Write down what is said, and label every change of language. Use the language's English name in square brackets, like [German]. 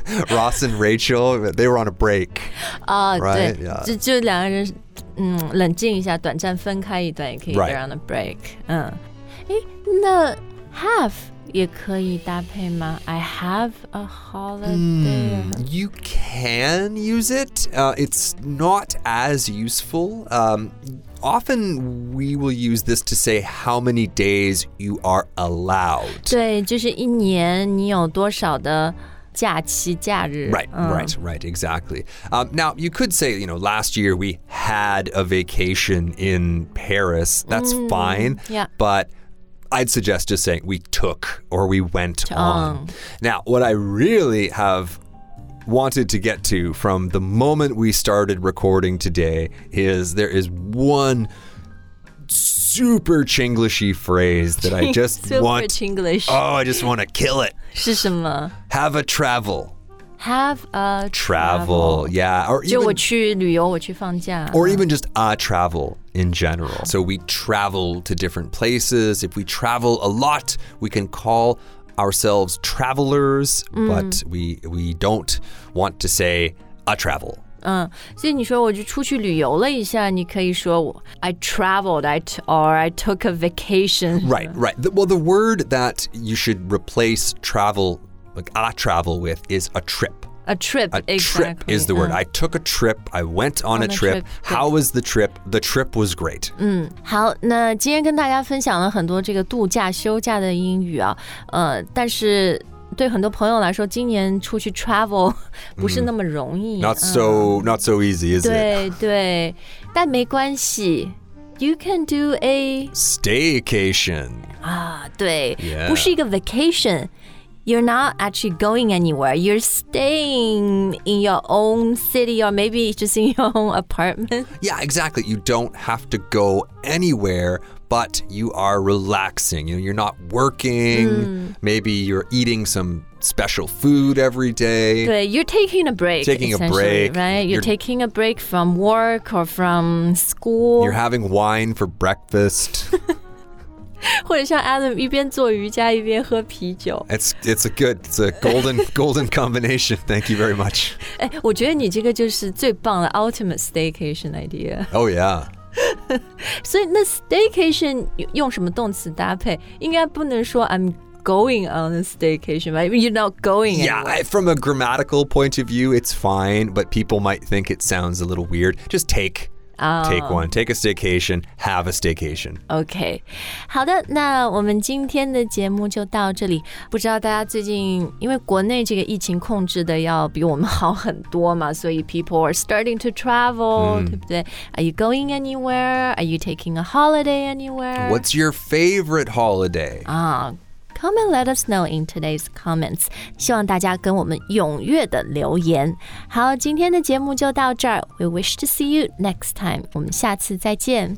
[English] Ross and Rachel, they were on a break. 啊、right? 对、yeah. [Chinese] 就两个人、嗯、冷静一下短暂分开一段也可以、 [English] right. They're on a break.、嗯、那 have [Chinese] 也可以搭配吗 [English] I have a holiday.、 Mm, you can. Can use it.、it's not as useful.、often we will use this to say how many days you are allowed. [Chinese] 对，就是一年你有多少的假期假日。 [English] Right,、嗯、right, right, exactly.、now you could say, you know, last year we had a vacation in Paris. That's、嗯、 fine. Yeah. But I'd suggest just saying we took or we went on. Now, what I really have wanted to get to from the moment we started recording today is there is one super Chinglishy phrase that I just want. Super Chinglish. Oh, I just want to kill it. [Chinese] 是什么? [English] Have a travel. Have a travel. Yeah. Or even, [Chinese] 就我去旅游,我去放假。 [English] Or even just a travel in general. So we travel to different places. If we travel a lot, we can call ourselves travelers, but we don't want to say a travel. [Chinese] 所以你说我就出去旅游了一下，你可以说 [English] I traveled, I took a vacation. Right, right. Well, the word that you should replace travel,like a travel with is a trip. A trip, a exactly. A trip is the word. I took a trip, I went on a trip. How was the trip? The trip was great. [Chinese] 好，那今天跟大家分享了很多这个度假休假的英语啊，但是对很多朋友来说，今年出去 travel 不是那么容易。 [English] Not so easy, is [Chinese] 对 [English] it? [Chinese] 对，但没关系。 [English] You can do a... staycation. [Chinese] 啊，对， [English] yeah. [Chinese] 不是一个 vacation. [English] You're not actually going anywhere. You're staying in your own city or maybe just in your own apartment. Yeah, exactly. You don't have to go anywhere, but you are relaxing. You know, you're not working. Maybe you're eating some special food every day. 对, you're taking a break. Taking a break. Right? You're taking a break from work or from school. You're having wine for breakfast. [Chinese] 或者像 Adam 一边做瑜伽一边喝啤酒 [English] It's a good, it's a golden combination. Thank you very much. [Chinese] 我觉得你这个就是最棒的 [English] ultimate staycation idea. Oh yeah. [Chinese] 所以那 staycation 用什么动词搭配？ [English] 应该不能说 I'm going on a staycation, right? You're not going anywhere. Yeah, from a grammatical point of view, it's fine, but people might think it sounds a little weird. Just take. Take one, take a staycation, have a staycation. [Chinese] Okay, 好的，那我们今天的节目就到这里。不知道大家最近，因为国内这个疫情控制的要比我们好很多嘛，所以 [English] people are starting to travel, [Chinese] 对不对？ [English] Are you going anywhere? Are you taking a holiday anywhere? What's your favorite holiday? Come and let us know in today's comments. [Chinese] 希望大家跟我们踊跃的留言。好，今天的节目就到这儿。 [English] We wish to see you next time. [Chinese] 我们下次再见。